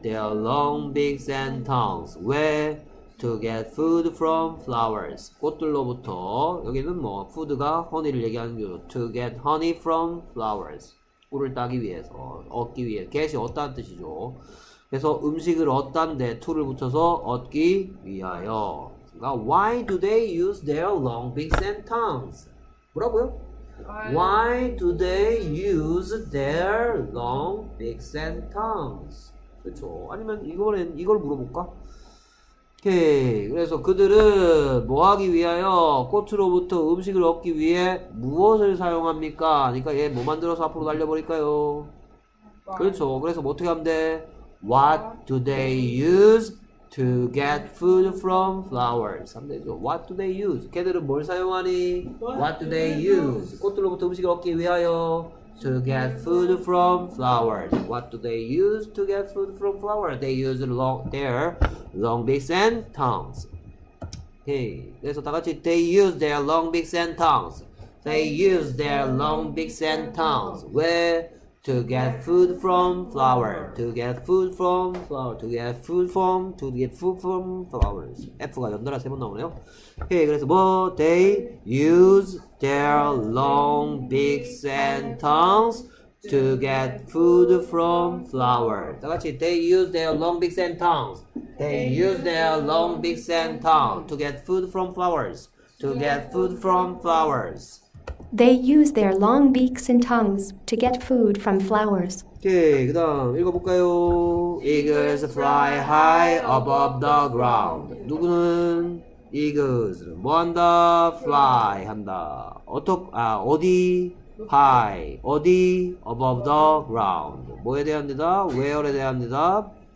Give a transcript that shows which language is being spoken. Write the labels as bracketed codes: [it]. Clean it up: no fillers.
[en] They are long beaks and tongues. Where? To get food from flowers. [ko] 꽃들로부터. 여기는 뭐, 푸드가 honey를 얘기하는 거죠. [en] To get honey from flowers. [ko] 꿀을 따기 위해서. 얻기 위해. get이 얻다는 뜻이죠. 그래서 음식을 얻다는데 to를 붙여서 얻기 위하여. [en] Why do they use their long beaks and tongues? [ko] 뭐라고요? [en] Why do they use their long beaks and tongues? [ko] 그렇죠. 아니면 이걸 물어볼까? 오케이. 그래서 그들은 뭐 하기 위하여 꽃으로부터 음식을 얻기 위해 무엇을 사용합니까? 그러니까 얘뭐 만들어서 앞으로 날려버릴까요? 그렇죠. 그래서 뭐 어떻게 하면 돼? [en] What do they use? To get food from flowers. [ko] 3대죠. [en] What do they use? [ko] 걔들은 뭘 사용하니? [en] What do they use? [ko] 꽃들로부터 음식을 얻기 위하여. [en] To get food from flowers. What do they use to get food from flowers? They use their long beaks and tongues. Okay. [ko] 그래서 다 같이. [en] They use their long beaks and tongues. They use their long beaks and tongues. [ko] 왜? [en] To get food from flower, to get food from flower, to get food from, to get food from flowers. [ko] F가 연달아 세번 나오네요. 오케이, 그래서 뭐, [en] they use their long beaks and tongues to get food from flower. [ko] 다 같이, [en] they use their long beaks and tongues. They use their long beaks and tongues to get food from flowers. To get food from flowers. They use their long beaks and tongues to get food from flowers. [ko] 오케이, 그다음 읽어볼까요? [en] Eagles fly high above the ground. [ko] 누구는 eagles? 뭐 한다? Fly 한다. 어디? High. 어디? [en] Above the ground. [ko] 뭐에 대한 대답? Where에 대한 대답?